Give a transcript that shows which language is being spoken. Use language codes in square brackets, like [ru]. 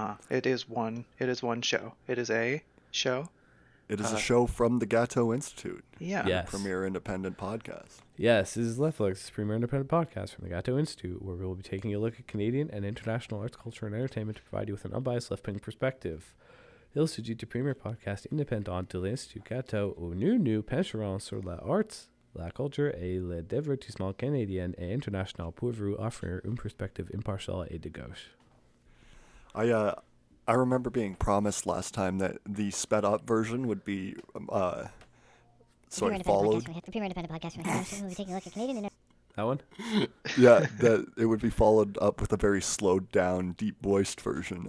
[en] It is one show. It is a show. It is a show from the Gatto Institute. Yeah. Yes. Premier independent podcast. Yes, this is Left Look's premier independent podcast from the Gatto Institute, where we will be taking a look at Canadian and international arts, culture, and entertainment to provide you with an unbiased left-wing perspective. [fr] Il s'agit du premier podcast indépendant de l'Institut Gatto, où nous pencherons sur les arts, la culture et le divertissement canadien et international pour vous offrir une perspective impartiale et de gauche. [en] I remember being promised last time that the sped up version would be sort of followed. That one? Yeah, that it would be followed up with a very slowed down, deep voiced version.